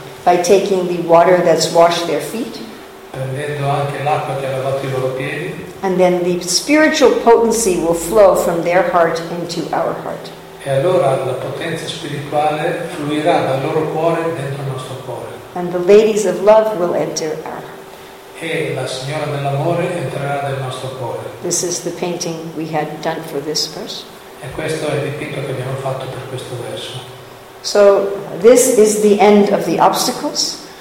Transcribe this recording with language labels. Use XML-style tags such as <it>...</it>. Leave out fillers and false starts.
<en>By taking the water that's washed their feet.</en> <it>Prendendo anche l'acqua che ha lavato i loro piedi.</it> <en>And then the spiritual potency will flow from their heart into our heart.</en> <it>E allora la potenza spirituale fluirà dal loro cuore dentro il nostro cuore.</it> <en>And the ladies of love will enter our heart.</en> <it>E la signora dell'amore entrerà nel nostro cuore.</it> <en>This is the painting we had done for this verse.</en> <it>E questo è il dipinto che abbiamo fatto per questo verso.</it> <en>So this is the end of the obstacles.</en>